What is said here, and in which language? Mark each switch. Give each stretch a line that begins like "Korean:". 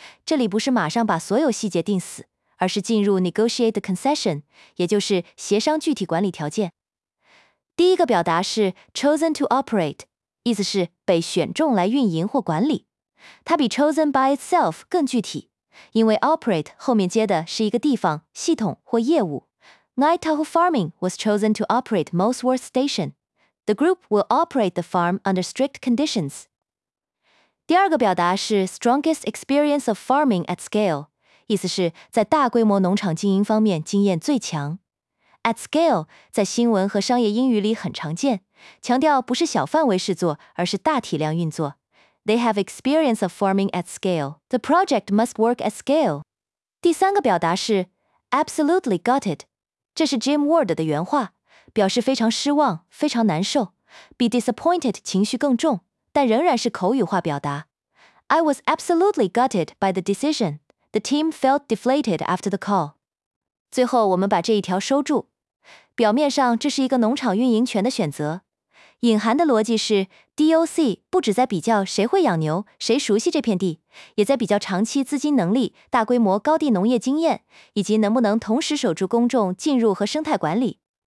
Chinese: 这里不是马上把所有细节定死，而是进入
English: negotiate concession，
Chinese: 也就是协商具体管理条件。第一个表达是
English: chosen to operate，
Chinese: 意思是被选中来运营或管理。它比
English: chosen by itself
Chinese: 更具体，因为 operate 后面接的是一个地方、系统或业务。
English: Ngāi-Tahu Farming was chosen to operate Molesworth Station。 The group will operate the farm under strict conditions.
Chinese: 第二个表达是
English: strongest experience of farming at scale，
Chinese: 意思是在大规模农场经营方面经验最强。
English: At scale
Chinese: 在新闻和商业英语里很常见，强调不是小范围试作，而是大体量运作。
English: They have experience of farming at scale. The project must work at scale.
Chinese: 第三个表达是
English: absolutely got it，
Chinese: 这是 Jim Ward 的原话，表示非常失望，非常难受，比 disappointed 情绪更重，但仍然是口语化表达。
English: I was absolutely gutted by the decision. The team felt deflated after the call.
Chinese: 最后我们把这一条收住。表面上这是一个农场运营权的选择，隐含的逻辑是 DOC 不只在比较谁会养牛，谁熟悉这片地，也在比较长期资金能力、大规模高地农业经验，以及能不能同时守住公众进入和生态管理。